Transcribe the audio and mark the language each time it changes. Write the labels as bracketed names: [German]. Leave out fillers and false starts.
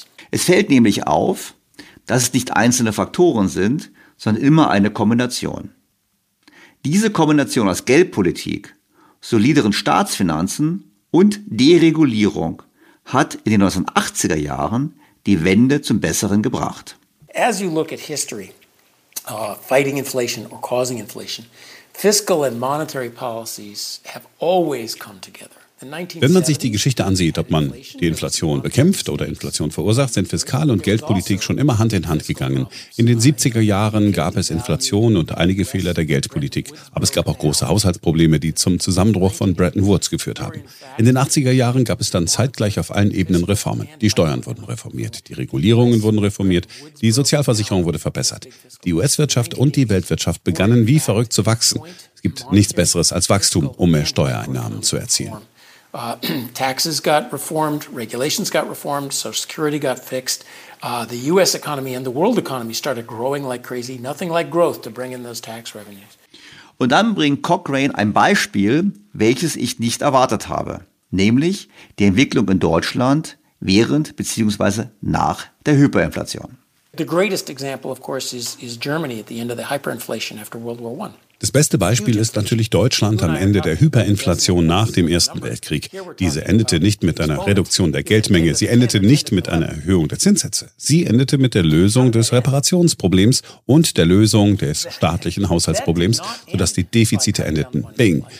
[German] Es fällt nämlich auf, dass es nicht einzelne Faktoren sind, sondern immer eine Kombination. Diese Kombination aus Geldpolitik, solideren Staatsfinanzen und Deregulierung hat in den 1980er Jahren die Wende zum Besseren gebracht. [English] As you look at history, fighting inflation or causing inflation, fiscal and monetary policies have always come together. [German] Wenn man sich die Geschichte ansieht, ob man die Inflation bekämpft oder Inflation verursacht, sind Fiskal- und Geldpolitik schon immer Hand in Hand gegangen. In den 70er Jahren gab es Inflation und einige Fehler der Geldpolitik, aber es gab auch große Haushaltsprobleme, die zum Zusammenbruch von Bretton Woods geführt haben. In den 80er Jahren gab es dann zeitgleich auf allen Ebenen Reformen. Die Steuern wurden reformiert, die Regulierungen wurden reformiert, die Sozialversicherung wurde verbessert. Die US-Wirtschaft und die Weltwirtschaft begannen wie verrückt zu wachsen. Es gibt nichts Besseres als Wachstum, um mehr Steuereinnahmen zu erzielen. [English] Taxes got reformed, regulations got reformed, Social Security got fixed. The US economy and the world economy started growing like crazy. Nothing like growth to bring in those tax revenues. [German] Und dann bringt Cochrane ein Beispiel, welches ich nicht erwartet habe, nämlich die Entwicklung in Deutschland während bzw. nach der Hyperinflation. [English] The greatest example, of course, is Germany at the end of the hyperinflation after World War I. [German] Das beste Beispiel ist natürlich Deutschland am Ende der Hyperinflation nach dem Ersten Weltkrieg. Diese endete nicht mit einer Reduktion der Geldmenge, sie endete nicht mit einer Erhöhung der Zinssätze. Sie endete mit der Lösung des Reparationsproblems und der Lösung des staatlichen Haushaltsproblems, sodass die Defizite endeten. Bing!